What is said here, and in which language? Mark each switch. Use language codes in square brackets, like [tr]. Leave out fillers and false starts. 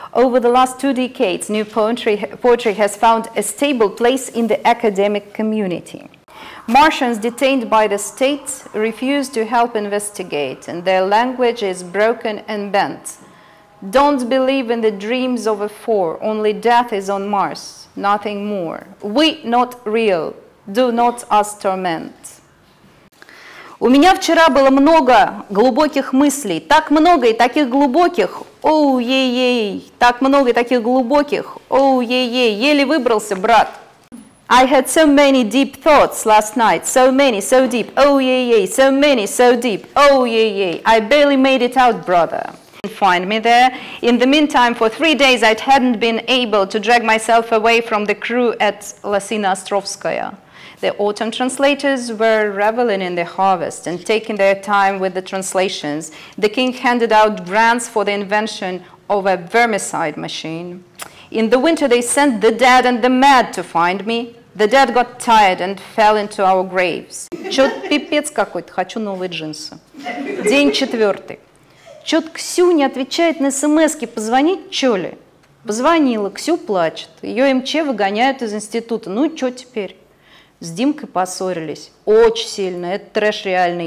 [en] Over the last two decades, new poetry has found a stable place in the academic community. Martians detained by the state refuse to help investigate, and their language is broken and bent. Don't believe in the dreams of a four, only death is on Mars, nothing more. We not real, do not us torment. [ru] У меня вчера было много глубоких мыслей, так много и таких глубоких, оу-ей-ей, так много и таких глубоких, оу-ей-ей, еле выбрался, брат. [en] I had so many deep thoughts last night, so many, so deep, оу-ей-ей, so many, so deep, оу-ей-ей, I barely made it out, brother. Find me there. In the meantime, for 3 days, I hadn't been able to drag myself away from the crew at Lasina Ostrovskaya. The autumn translators were reveling in the harvest and taking their time with the translations. The king handed out grants for the invention of a vermicide machine. In the winter, they sent the dead and the mad to find me. The dead got tired and fell into our graves. [ru] Чё-то пипец какой-то, хочу новые джинсы. День четвертый. Чё-то Ксю не отвечает на смс-ки, позвонить чё ли? Позвонила, Ксю плачет, её МЧ выгоняют из института. Ну и чё теперь? С Димкой поссорились. Очень сильно, это трэш реальный.